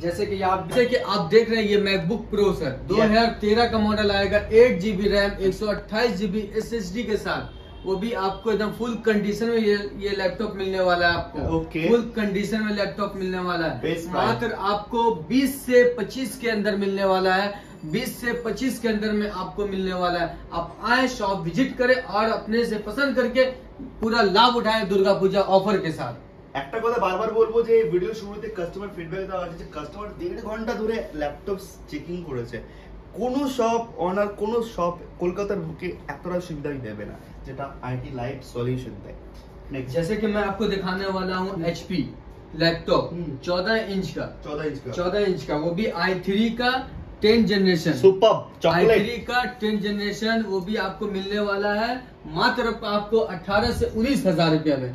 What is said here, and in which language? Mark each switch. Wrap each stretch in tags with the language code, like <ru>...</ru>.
<hi>जैसे कि आप देख रहे हैं ये मैकबुक प्रो सर 2013 का मॉडल आएगा, 8GB रैम, 128GB SSD के साथ, वो भी आपको एकदम फुल कंडीशन में ये लैपटॉप मिलने वाला है आपको। ओके, फुल कंडीशन में लैपटॉप मिलने वाला है, मात्र आपको 20 से 25 के अंदर मिलने वाला है, 20 से 25 के अंदर में आपको मिलने वाला है। आप आए शॉप विजिट करें और अपने से पसंद करके पूरा लाभ उठाएं दुर्गा पूजा ऑफर के साथ।</hi> <bn>একটা কথা বারবার বলবো যে ভিডিও শুরু থেকে কাস্টমার ফিডব্যাক দেওয়া আছে, কাস্টমার দেড় ঘন্টা ধরে ল্যাপটপ চেকিং করেছে, কোনো শপ অনার কোনো শপ কলকাতার বুকে এতটা সুবিধা দেবে না যেটা আইটি লাইফ সলিউশন দেয়।</bn> <hi>নেক্সট जैसे कि मैं आपको दिखाने वाला हूं HP ল্যাপটপ 14 इंच का, वो भी i3 का 10th generation, super chocolate i3 का 10th जनरेशन, वो भी आपको मिलने वाला है मात्र आपको 18,000 से 19,000 रुपया में।</hi>